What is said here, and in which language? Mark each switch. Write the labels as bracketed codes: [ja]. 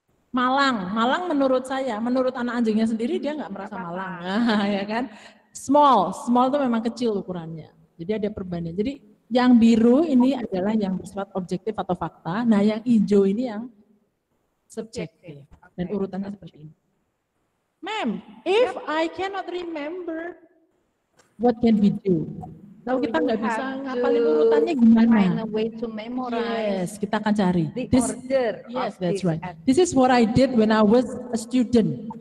[id] Malang, malang menurut saya, menurut anak anjingnya sendiri dia nggak merasa malang, ya kan? Small, small itu memang kecil ukurannya. Jadi ada perbandingan. Jadi yang biru ini adalah yang bersifat objektif atau fakta. Nah, yang hijau ini yang subjektif. Dan urutannya seperti ini. [en] Ma'am, if I cannot remember, what can we do? [id] Kalau kita nggak bisa ngapalin urutannya gimana? [en] Find a way to memorize. [id] Yes, kita akan cari. [en] The this, order. Yes, that's this right. This is what I did when I was a student.